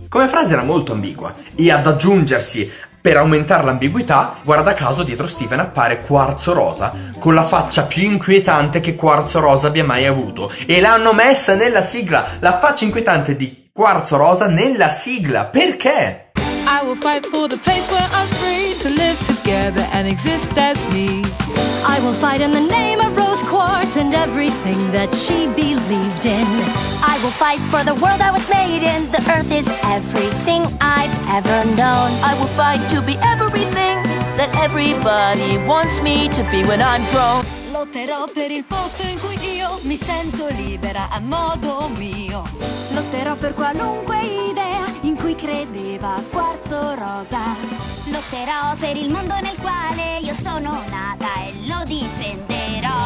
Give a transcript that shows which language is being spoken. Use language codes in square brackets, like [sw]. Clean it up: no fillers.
[it] Come frase era molto ambigua. E ad aggiungersi, per aumentare l'ambiguità, guarda caso dietro Steven appare Quarzo Rosa, con la faccia più inquietante che Quarzo Rosa abbia mai avuto. E l'hanno messa nella sigla, la faccia inquietante di Quarzo Rosa nella sigla. Perché? [en] I will fight for the place where I'm free to live together and exist as me. I will fight in the name of Rose Quartz and everything that she believed in. I will fight for the world I was made in. The earth is everything I've ever known. I will fight to be everything that everybody wants me to be when I'm grown. [it] Lotterò per il posto in cui io mi sento libera a modo mio. Lotterò per qualunque idea in cui credeva Quarzo Rosa. Lotterò per il mondo nel quale io sono nata e lo difenderò.